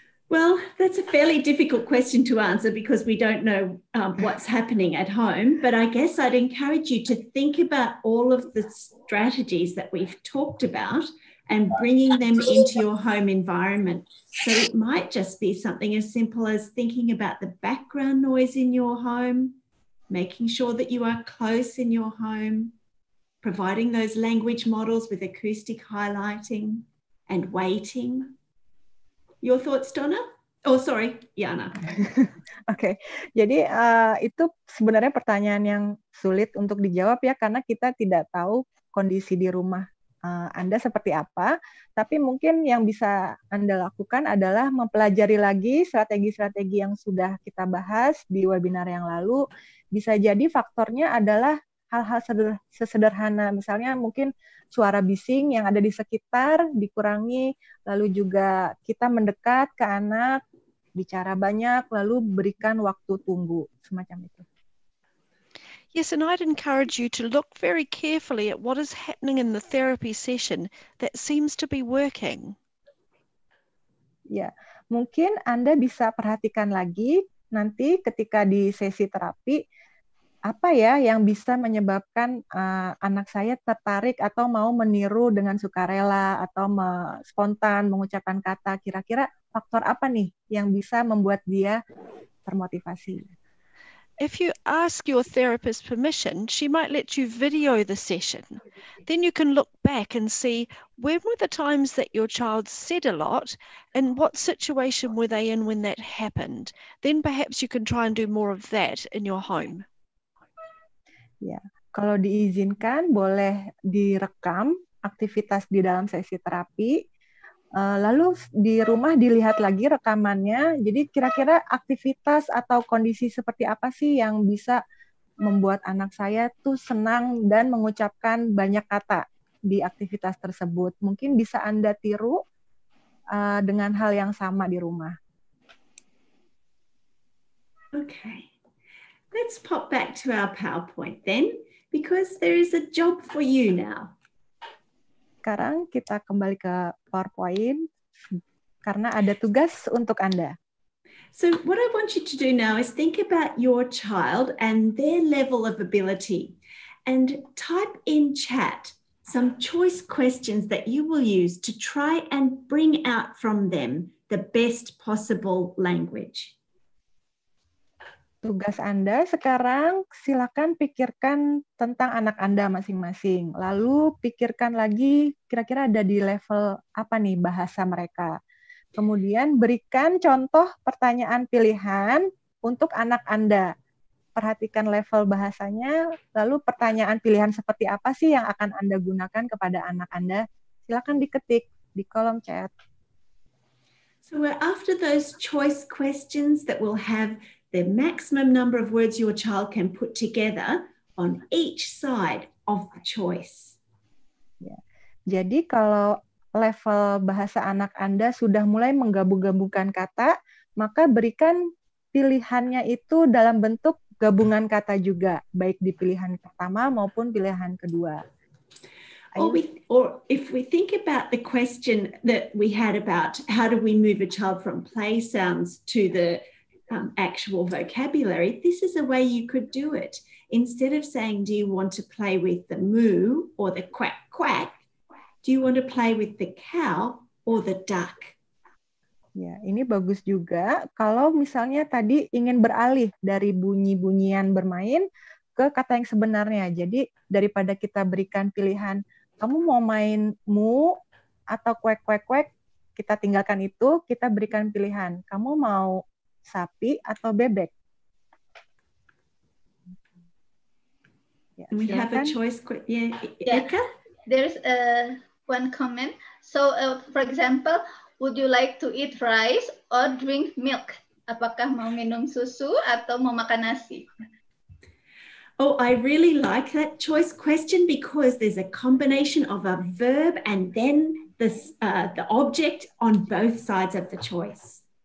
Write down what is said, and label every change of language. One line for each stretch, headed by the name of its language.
English: Well, that's a fairly difficult question to answer because we don't know what's happening at home. But I guess I'd encourage you to think about all of the strategies that we've talked about and bringing them into your home environment. So it might just be something as simple as thinking about the background noise in your home, making sure that you are close in your home, providing those language models with acoustic highlighting and waiting. Your thoughts, Donna? Oh, sorry, Yana.
Indonesian: Okay, jadi itu sebenarnya pertanyaan yang sulit untuk dijawab ya, karena kita tidak tahu kondisi di rumah Anda seperti apa, tapi mungkin yang bisa Anda lakukan adalah mempelajari lagi strategi-strategi yang sudah kita bahas di webinar yang lalu. Bisa jadi faktornya adalah hal-hal sesederhana, misalnya mungkin suara bising yang ada di sekitar dikurangi, lalu juga kita mendekat ke anak, bicara banyak, lalu berikan waktu tunggu, semacam itu.
English: Yes, and I'd encourage you to look very carefully at what is happening in the therapy session that seems to be working.
Indonesian: Ya, mungkin Anda bisa perhatikan lagi nanti ketika di sesi terapi, apa ya yang bisa menyebabkan anak saya tertarik atau mau meniru dengan sukarela atau spontan mengucapkan kata, kira-kira faktor apa nih yang bisa membuat dia termotivasi?
English: If you ask your therapist permission, she might let you video the session. Then you can look back and see when were the times that your child said a lot and what situation were they in when that happened. Then perhaps you can try and do more of that in your home.
Indonesian: Ya, kalau diizinkan boleh direkam aktivitas di dalam sesi terapi. Lalu di rumah dilihat lagi rekamannya. Jadi kira-kira aktivitas atau kondisi seperti apa sih yang bisa membuat anak saya tuh senang dan mengucapkan banyak kata di aktivitas tersebut. Mungkin bisa Anda tiru dengan hal yang sama di rumah.
English: Okay. Let's pop back to our PowerPoint then, because there is a job for you now.
Indonesian: Sekarang kita kembali ke PowerPoint karena ada tugas untuk Anda.
English: So what I want you to do now is think about your child and their level of ability and type in chat some choice questions that you will use to try and bring out from them the best possible language.
Indonesian: Tugas Anda sekarang, silakan pikirkan tentang anak Anda masing-masing. Lalu pikirkan lagi kira-kira ada di level apa nih bahasa mereka. Kemudian berikan contoh pertanyaan pilihan untuk anak Anda. Perhatikan level bahasanya, lalu pertanyaan pilihan seperti apa sih yang akan Anda gunakan kepada anak Anda. Silakan diketik di kolom chat.
English: So we're after those choice questions that will have the maximum number of words your child can put together on each side of the choice. Yeah.
Indonesian: Jadi kalau level bahasa anak Anda sudah mulai menggabung-gabungkan kata, maka berikan pilihannya itu dalam bentuk gabungan kata juga, baik di pilihan pertama maupun pilihan kedua.
English: Or if we think about the question that we had about how do we move a child from play sounds to the actual vocabulary, this is a way you could do it. Instead of saying, do you want to play with the moo or the quack quack, do you want to play with the cow or the duck?
Indonesian: Ya, ini bagus juga kalau misalnya tadi ingin beralih dari bunyi-bunyian bermain ke kata yang sebenarnya. Jadi daripada kita berikan pilihan, kamu mau main moo atau quack quack quack, kita tinggalkan itu, kita berikan pilihan, kamu mau sapi atau bebek.
English: Yeah, we silakan. Have a choice. Yeah. Eka? There's one comment. So, for example, would you like to eat rice or drink milk?
Indonesian: Apakah mau minum susu atau mau makan nasi?
English: Oh, I really like that choice question because there's a combination of a verb and then the object on both sides of the choice.